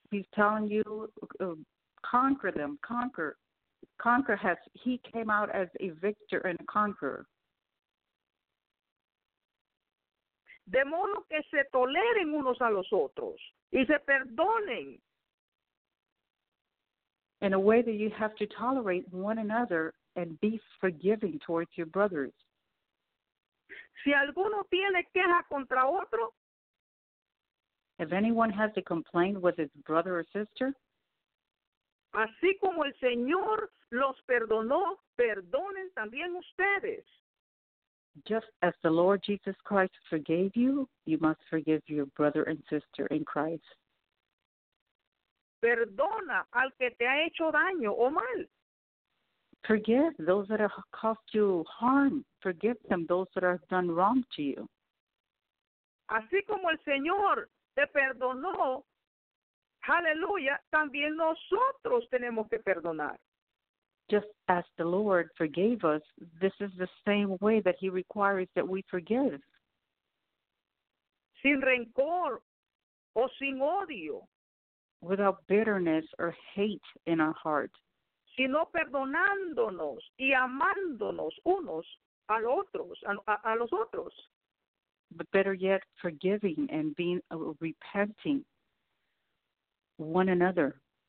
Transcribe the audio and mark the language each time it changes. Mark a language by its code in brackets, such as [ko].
[en] He's telling you, conquer them, conquer. Conquer has, he came out as a victor and a conqueror. [es] De modo que se toleren unos a los otros y se perdonen. [en] In a way that you have to tolerate one another and be forgiving towards your brothers. [es] Si alguno tiene queja contra otro. [en] If anyone has a complaint with his brother or sister. [es] Así como el Señor los perdonó, perdonen también ustedes. [en] Just as the Lord Jesus Christ forgave you, you must forgive your brother and sister in Christ. [es] Perdona al que te ha hecho daño o mal. [en] Forgive those that have caused you harm. Forgive them, those that have done wrong to you. [es] Así como el Señor te perdonó, aleluya, también nosotros tenemos que perdonar. [en] Just as the Lord forgave us, this is the same way that he requires that we forgive. [es] Sin rencor o sin odio. [en] Without bitterness or hate in our heart. [es] Sino perdonándonos y amándonos unos a los otros. A los otros. [en] But better yet, forgiving and being repenting one another.